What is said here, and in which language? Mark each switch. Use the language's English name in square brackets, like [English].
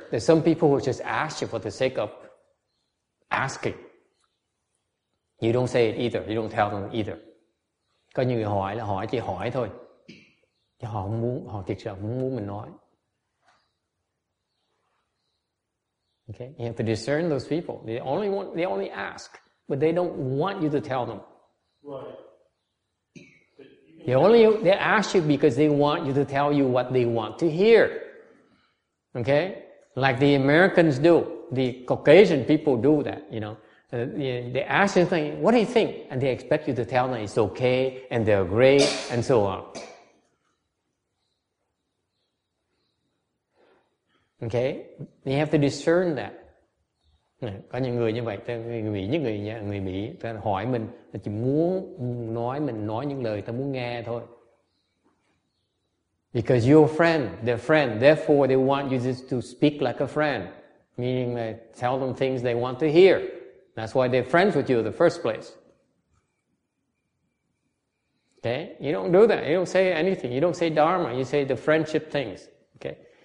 [English] There's some people who just ask you for the sake of asking. You don't say it either. You don't tell them either. [Vietnamese] Có những người hỏi là hỏi chỉ hỏi thôi. Chứ họ không muốn, họ thực sự không muốn mình nói. [English] Okay, you have to discern those people. They only ask, but they don't want you to tell them. Right. They ask you because they want you to tell you what they want to hear. Okay, like the Americans do, the Caucasian people do that. You know, they ask you something. What do you think? And they expect you to tell them it's okay and they're great and so on. Okay, you have to discern that. [Vietnamese] Có những người như vậy, người Mỹ, ta hỏi mình, ta chỉ muốn nói những lời ta muốn nghe thôi. [English] Because you're a friend, their friend, therefore they want you just to speak like a friend, meaning they tell them things they want to hear. That's why they're friends with you in the first place. Okay? You don't do that. You don't say anything. You don't say dharma. You say the friendship things. Okay?